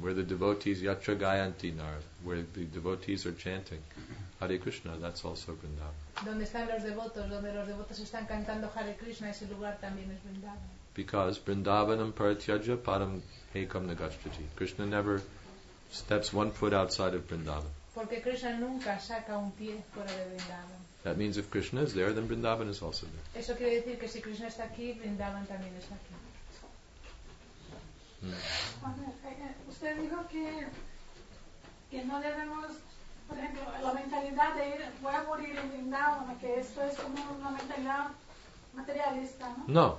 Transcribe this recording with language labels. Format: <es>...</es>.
<en>Where the devotees,</en> <sa>Yatra Gayanti Nara,</sa> <en>where the devotees are chanting Hare Krishna, that's also Vrindavan.</en> <es>Donde están los devotos, donde los devotos están cantando Hare Krishna, ese lugar también es Vrindavan.</es> <sa>Because Vrindavanam Paratyaja Param Ekam Nagashtati.</sa> <en>Krishna never steps one foot outside of Vrindavan.</en> <es>Porque Krishna nunca saca un pie fuera de Vrindavan.</es> <en>That means if Krishna is there, then Vrindavan is also there.</en> <es>Eso quiere decir que si Krishna está aquí, Vrindavan también está aquí. Usted dijo que no debemos, por ejemplo, la mentalidad de ir, voy a morir en Vrindavan, que esto es como una mentalidad materialista, ¿no?</es>